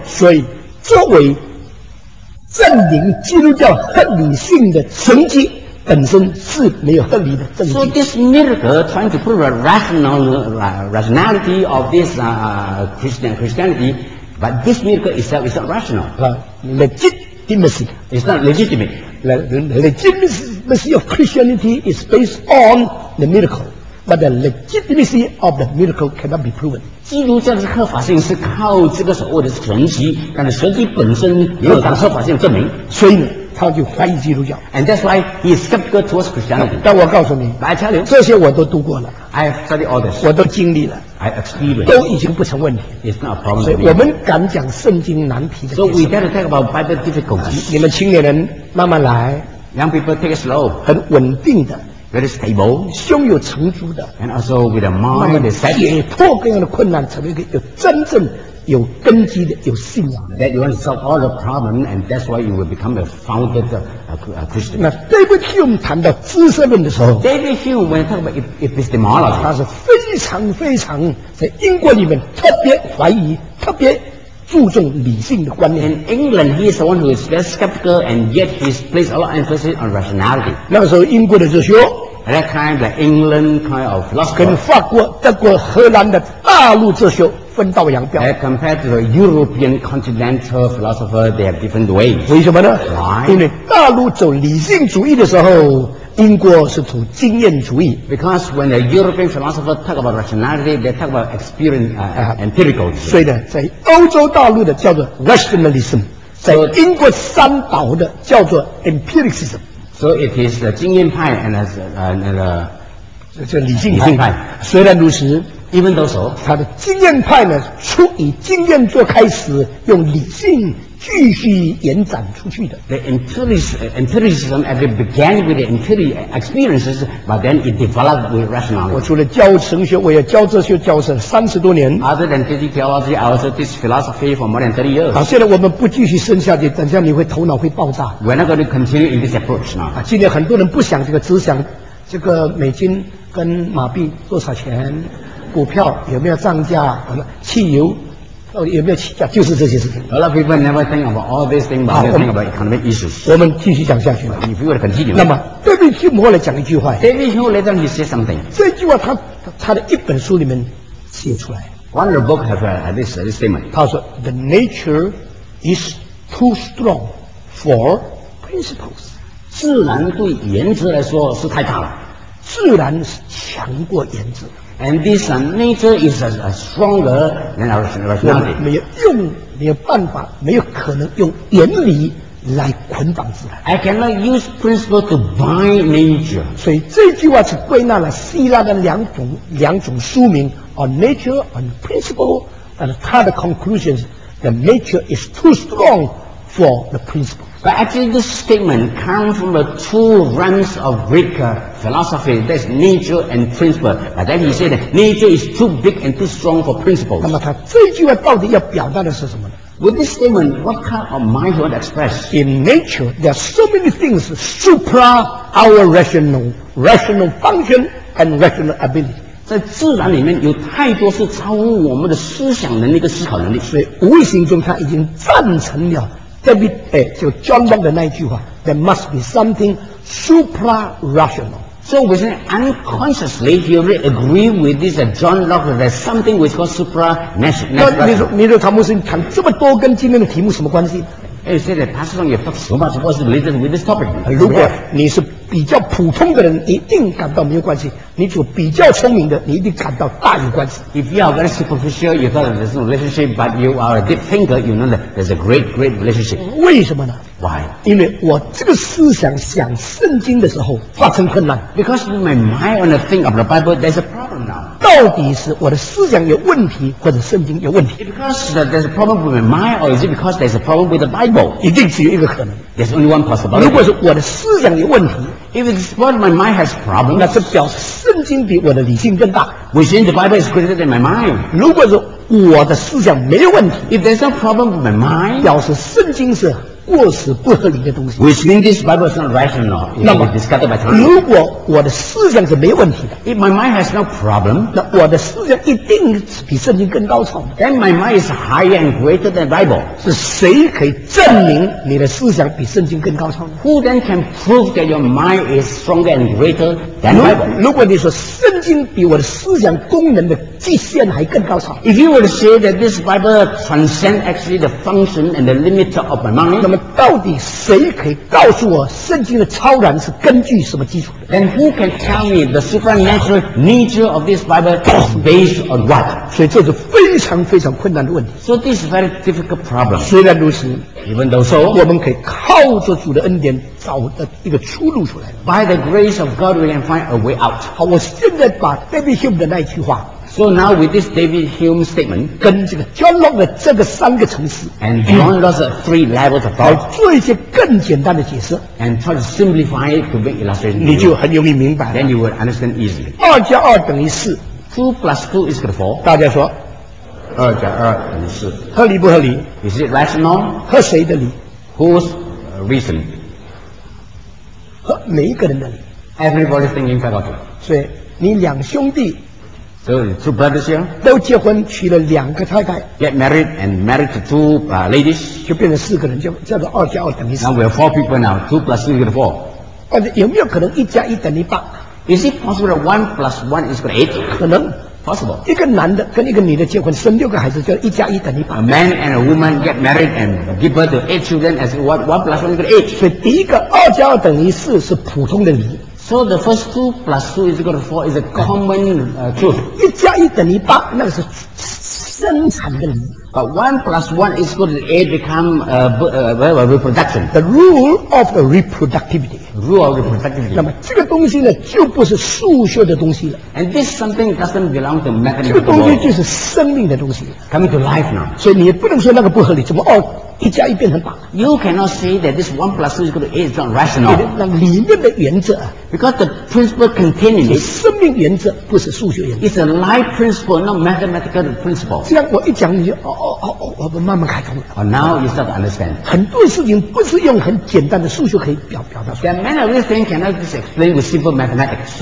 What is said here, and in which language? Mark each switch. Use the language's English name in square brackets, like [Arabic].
[Chinese] 所以，作为证明基督教合理性的神迹。本身是没有合理的证据。 [English] So this miracle trying to prove a rationality of this Christianity, but this miracle itself is not rational. Legitimacy. It's not legitimate. Legitimacy of Christianity is based on the miracle, but the legitimacy of the miracle cannot be proven. [Chinese] 基督教的合法性是靠这个所谓的神迹，但是神迹本身没有当合法性证明，所以。他就怀疑基督教 [English] ，and that's why he is skeptical towards Christianity. [Chinese] 但我告诉你 [English] ，I tell you， [Chinese] 这些我都读过了 [English] ，I have studied all this， [Chinese] 我都经历了 [English] ，I experienced， [Chinese] 都已经不成问题 [English] ，it's not a problem。 [Chinese] 所以我们敢讲圣经难题的。 [English] So we dare to talk about Bible difficulties。 [Chinese] 你们青年人慢慢来 [English] ，young people take it slow， [Chinese] 很稳定的 [English] ，very stable， [Chinese] 胸有成竹的 [English] ，and also with a mind that's set。 [Chinese] 解脱各样的困难，成为一个有真正。有根基的有信仰 [English] that you want to solve all the problem and that's why you will become a founded Christian. [Chinese] 那 David Hume 谈到知识论的时候 [English] David Hume when talk about epistemology [Chinese] 他是非常非常在英国里面特别怀疑特别注重理性的观念 [English] In England he is the one who is very skeptical and yet he places a lot of emphasis on rationality. [Chinese] 那个时候英国的哲学 [English] At that time the England kind of philosophy [Chinese] 跟法国德国荷兰的大陆哲学分道扬镳。 [English] As compared to the European continental philosopher, they have different ways. [Chinese] 为什么呢 [English] ？Why？ [Chinese] 因为大陆走理性主义的时候，英国是走经验主义。 [English] Because when the European philosopher talk about rationality, they talk about experience, empirical. [Chinese] 所以呢，在欧洲大陆的叫做 rationalism， 在英国三岛的叫做 empiricism。 [English] So it is the 经验派 and as [Chinese] the 理性派。虽然如此。 [English] Even though so, [Chinese] 他的经验派呢，出以经验做开始，用理性继续延展出去的。 [English] The empiricism as it began with the empiric experiences, but then it developed with rationality. [Chinese] 我除了教神学，我也教哲学，教了30多年。 [English] Other than teaching theology, I also teach philosophy for more than 30 years. [Chinese] 好，现在我们不继续深下去，等下你会头脑会爆炸。 [English] We're not going to continue in this approach now. [Chinese] 啊，今天很多人不想这个，只想这个美金跟马币多少钱。股票有没有涨价？汽油到底有没有起价？就是这些事情。 [English] A lot of people never think about all these things, but they think about economic issues. [Chinese] 我们继续讲下去。 [English] If you were to continue. [Chinese] 那么 ，David Hume 来讲一句话。 [English] David Hume later he said something. [Chinese] 这句话他的一本书里面写出来。 [English] One of the book have this statement. [Chinese] 他说 [English] ，The nature is too strong for principles. [Chinese] 自然对原则来说是太大了。自然是强过原则。 [English] And this nature is a stronger than our rationality. [Chinese] 我们没有用，没有办法，没有可能用原理来捆绑自然。 [English] I cannot use principle to bind nature. [Chinese] 所以这句话是归纳了希腊的两种书名 [English] on nature and principle. And [Chinese] 它的 [English] conclusion is the nature is too strong for the principle. But actually, this statement comes from the two realms of Greek philosophy. That's nature and principle. But then he said that nature is too big and too strong for principles. [Chinese] 那么他这句话到底要表达的是什么呢 [English] ？With this statement, what kind of mind he wants to express? In nature, there are so many things supra our rational function and rational ability. [Chinese] 在自然里面有太多是超乎我们的思想能力跟思考能力。所以无形中他已经赞成了。 [English] David, John Locke [Chinese] 的那一句话 [English] There must be something supra-rational So we say unconsciously he already agreed with this John Locke that something which called supranational. And you say that Pastor Song, you talk so much, what's related with this topic? [Chinese] 如果你是比较普通的人，你一定感到没有关系。你就比较聪明的，你一定感到大有关系。 [English] If you are very superficial, you thought there's no relationship, but you are a deep thinker, you know that there's a great, great relationship. [Chinese] 为什么呢？ [English] Why? [Chinese] 因为我这个思想想圣经的时候发生困难。 [English] Because my mind on the thing of the Bible, there's a problem now. [Chinese] 到底是我的思想有问题，或者圣经有问题 [English] ？Because there's a problem with my mind, or is it because there's a problem with the Bible? [Chinese] 一定只有一个可能。 [English] There's only one possibility. [Chinese] 如果是我的思想有问题 [English] ，If it's what my mind has problem, [Chinese] 那是表示圣经比我的理性更大。 [English] Which means the Bible is greater than my mind. [Chinese] 如果是我的思想没有问题 [English] ，If there's no problem with my mind, [Chinese] 表示圣经是过时不合理的东西。 [English] Which means this Bible is not rational. [Chinese] 那么，如果我的思想是没有问题的 [English] ，If my mind has no problem, [Chinese] 那我的思想一定比圣经更高超。 [English] Then my mind is higher and greater than Bible. [Chinese] 是谁可以证明你的思想比圣经更高超 [English] ？Who then can prove that your mind is stronger and greater than Bible? [Chinese] 如果你说圣经比我的思想功能的极限还更高超 [English] ，If you were to say that this Bible transcends actually the function and the limit of my mind. [Chinese] 那么到底谁可以告诉我圣经的超然是根据什么基础的 [English] ？And who can tell me the supernatural nature of this Bible is based on what？ [Chinese] 所以这是非常非常困难的问题。 [English] So this is a very difficult problem. [Chinese] 虽然如此 [English] ，Even though so， [Chinese] 我们可以靠着主的恩典找一个出路出来。 [English] By the grace of God, we can find a way out. [Chinese] 好，我现在把 David Hume 的那一句话。 [English] So now with this David Hume statement, [Chinese] 跟这个 John Locke 的这个三个层次 [English] and John Locke's three levels of thought, [Chinese] 来做一些更简单的解释 [English] and try to simplify it to make illustration, [Chinese] 你就很容易明白了 [English] then you will understand easily. [Chinese] 二加二等于四 [English] two plus two is equal to four. [Chinese] 大家说二加二等于四合理不合理 [English] is it rational? [Chinese] 和谁的理 [English] whose reason? [Chinese] 和每一个人的理 [English] everybody's thinking faculty. [Chinese] 所以你两兄弟 [English] So two brothers here, [Chinese] 都结婚娶了两个太太 [English] get married and married to two ladies, [Chinese] 就变成四个人，叫做二加二等于四。 [English] Now we have four people now, two plus two equals four. [Chinese] 有没有可能一加一等于八？ [English] Is it possible that one plus one is equal to eight? [Chinese] 可能。 [English] Possible. [Chinese] 一个男的跟一个女的结婚，生六个孩子，叫一加一等于八。 [English] A man and a woman get married and give birth to eight children as one plus one equals eight. [Chinese] 所以第一个二加二等于四是普通的理。 [English] So the first 2 plus 2 is equal to 4 is a common truth. [Chinese] 一加一等于八，那个是生产的理。 [English] But 1 plus 1 is equal to 8 become reproduction. The rule of the reproductivity. Rule of reproductivity. [Chinese] 那么这个东西呢，就不是数学的东西了。 [English] And this something doesn't belong to mathematics. [Chinese] 这个东西就是生命的东西。 [English] Coming to life now. [Chinese] 所以你也不能说那个不合理，怎么哦？一加一变成八。 [English] You cannot say that this one plus two is equal to eight is not rational. [Chinese] 那理论的原则。 [English] Because the principle contained in it. [Chinese] 生命原则不是数学原则。 [English] It's a life principle, not mathematical principle. [Chinese] 这样我一讲你就哦，我们慢慢开通了。 [English] Now you start to understand. [Chinese] 很多事情不是用很简单的数学可以表达出来。 [English] There are many of these things cannot be explained with simple mathematics.